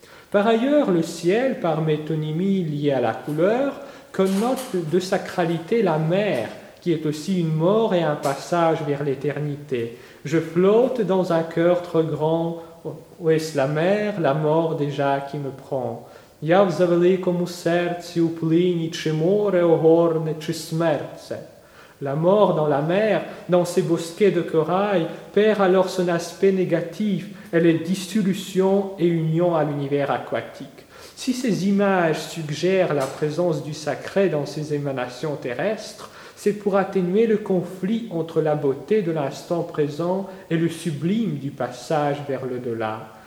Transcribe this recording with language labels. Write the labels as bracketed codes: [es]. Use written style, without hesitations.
[fr] Par ailleurs, le ciel, par métonymie liée à la couleur, connote de sacralité la mer, qui est aussi une mort et un passage vers l'éternité. Je flotte dans un cœur trop grand, où est-ce la mer, la mort déjà qui me prend. [uk] Я в завеликому серці у плині, чи море огорне, чи смерце. [fr] La mort dans la mer, dans ces bosquets de corail, perd alors son aspect négatif. Elle est dissolution et union à l'univers aquatique. Si ces images suggèrent la présence du sacré dans ces émanations terrestres, c'est pour atténuer le conflit entre la beauté de l'instant présent et le sublime du passage vers l'au-delà.